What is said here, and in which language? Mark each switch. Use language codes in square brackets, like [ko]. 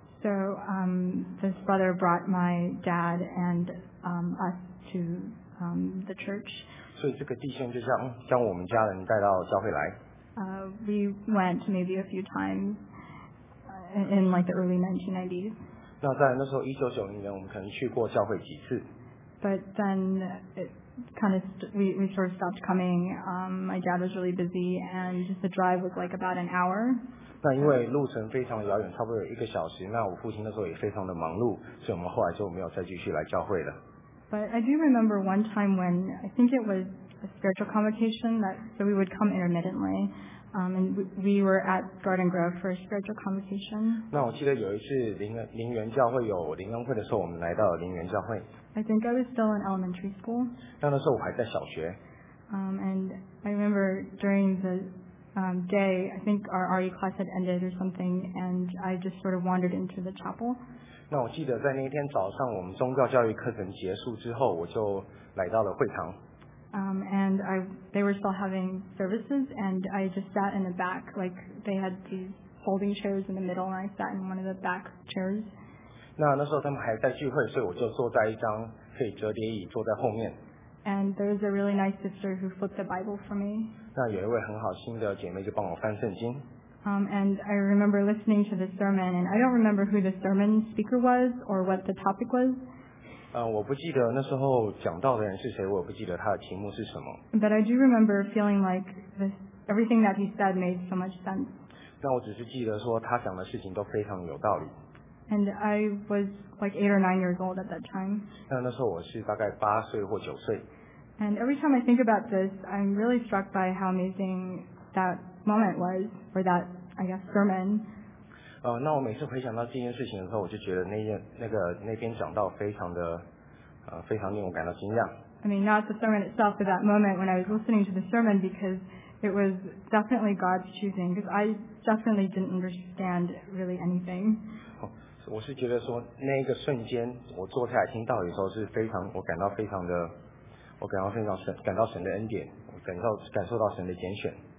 [en] So this brother brought my dad and us to the church. [zh] 所以这个弟兄就将我们家人带到教会来。 [en] We went maybe a few times in like the early 1990s. [zh] 那在那时候1990年，我们可能去过教会几次。 [en] But then we sort of stopped coming. My dad was really busy, and the drive was like about an hour. [zh] 那因为路程非常遥远，差不多有一个小时。那我父亲那时候也非常的忙碌，所以我们后来就没有再继续来教会了。 [en] But I do remember one time when I think it was a spiritual convocation so we would come intermittently. And we were at Garden Grove for a spiritual convocation. [zh] 那我记得有一次灵园教会有灵恩会的时候，我们来到灵园教会。 [en] I think I was still in elementary school. [zh] 那时候我还在小学。 [en] And I remember during the day, I think our RE class had ended or something, and I just sort of wandered into the chapel. [zh] 那我记得在那天早上，我们宗教教育课程结束之后，我就来到了会堂。 [en] And they were still having services, and I just sat in the back, like they had these folding chairs in the middle, and I sat in one of the back chairs. [zh] 那时候他们还在聚会，所以我就坐在一张可以折叠椅，坐在后面。 [en] And there was a really nice sister who flipped the Bible for me. [zh] 那有一位很好心的姐妹就帮我翻圣经。 [en] And I remember listening to the sermon, and I don't remember who the sermon speaker was or what the topic was. [zh] 我不记得那时候讲到的人是谁，我也不记得他的题目是什么。 [en] But I do remember feeling like everything that he said made so much sense. [zh] 那我只是记得说他讲的事情都非常有道理。 [en] And I was like 8 or 9 years old at that time. [zh] 那时候我是大概8岁或9岁。 [en] And every time I think about this, I'm really struck by how amazing that moment was, or that, I guess, sermon. [zh] 那我每次回想到这件事情的时候，我就觉得那边讲到非常的，非常令我感到惊讶。 [en] I mean, not the sermon itself, but that moment when I was listening to the sermon, because it was definitely God's choosing, because I definitely didn't understand really anything. [zh] 我是觉得说那个瞬间，我坐下来听到的时候，是非常我感到神的恩典，感受到神的拣选。